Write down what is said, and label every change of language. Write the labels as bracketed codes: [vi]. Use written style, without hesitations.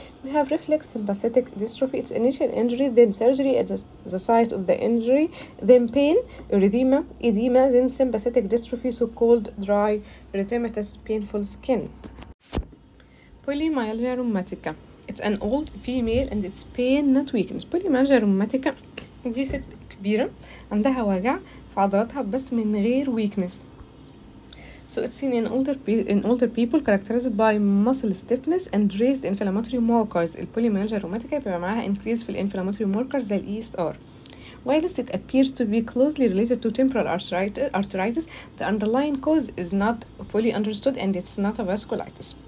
[en] We have reflex sympathetic dystrophy. It's initial injury, then surgery at the site of the injury, then pain, erythema, then sympathetic dystrophy, so-called dry erythematous painful skin. Polymyalgia rheumatica. It's an old female and it's pain, not weakness. [ar] Polymyalgia rheumatica, دي ست كبيرة عندها وجع في عضلاتها بس من غير weakness. [en] So it's seen in older people characterized by muscle stiffness and raised inflammatory markers. The polymyalgia rheumatica [ar] بيبقى معها [en] increase في inflammatory markers زي ESR. Whilst it appears to be closely related to temporal arthritis, the underlying cause is not fully understood and it's not a vasculitis.